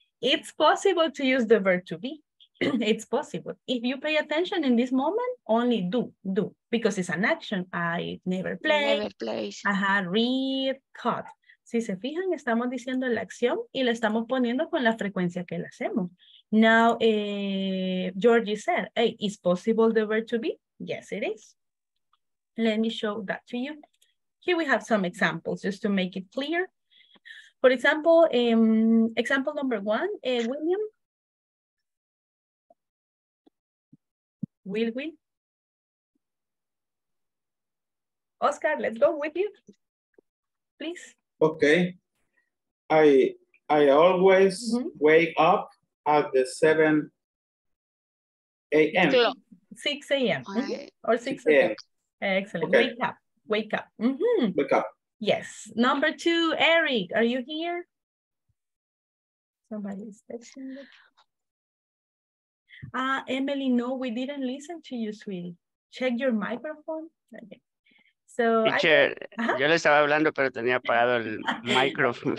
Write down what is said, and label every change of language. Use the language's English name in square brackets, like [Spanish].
[English] It's possible to use the verb to be. It's possible. If you pay attention in this moment, only do, because it's an action. I never play. Never play. Ajá, read, cut. [Spanish] Si se fijan, estamos diciendo la acción y la estamos poniendo con la frecuencia que la hacemos. [English] Now, Georgie said, hey, is possible the verb to be? Yes, it is. Let me show that to you. Here we have some examples just to make it clear. For example, example number one, William. Will we? Oscar, let's go with you, please. Okay, I always wake up at the 7 a.m. 6 a.m. Okay. Or 6 a.m. Excellent, okay. Wake up. Mm-hmm. Wake up. Yes, number two, Eric, are you here? Somebody's texting me. Emily, no, we didn't listen to you, sweetie. Check your microphone. Okay. So [Spanish] teacher, yo le estaba hablando, pero tenía apagado el micrófono.